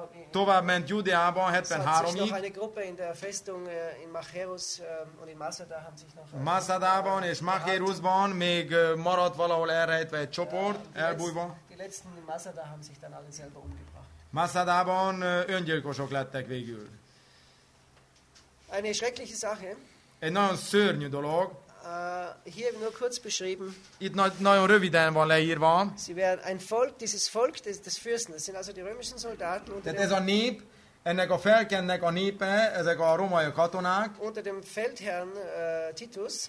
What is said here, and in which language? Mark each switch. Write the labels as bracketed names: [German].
[Hungarian] Tovább ment Judeában 73-ig. [German] Noch eine Gruppe in der Festung in Macherus und in Masada haben sich noch [Hungarian] Masadában és Macherusban még maradt valahol elrejtve egy csoport, elbújva. [German] Die letzten in Masada haben sich dann alle selber umgebracht. [Hungarian] Masadában öngyilkosok lettek végül. [German] Eine schreckliche Sache. [Hungarian] Egy nagyon szörnyű dolog. [German] Hier nur kurz beschrieben. [Hungarian] Itt nagyon röviden van leírva. [German] Sie werden ein Volk, dieses Volk des Fürsten, das sind also die römischen Soldaten. [Hungarian] Tehát ez a nép, ennek a felkennek a népe, ezek a római katonák. [German] Unter dem Feldherrn Titus.